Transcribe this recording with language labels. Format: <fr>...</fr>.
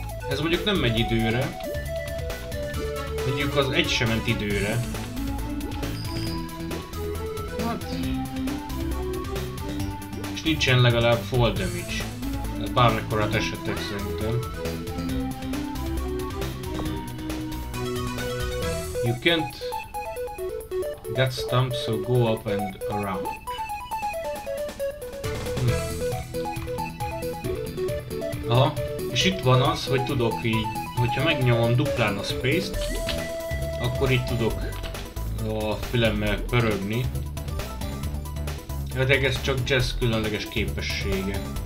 <hu>Ez mondjuk nem megy időre. Mondjuk az egy sem ment időre. És nincsen legalább fall damage. Bármikor át esettek szerintem.</hu> <en>You can't get stumped, so go up and around.</en> <hu>Aha, és itt van az, hogy tudok így, hogyha megnyomom duplán a space-t, akkor így tudok a fülemmel pörögni. Hát ez csak Jazz különleges képessége.</hu>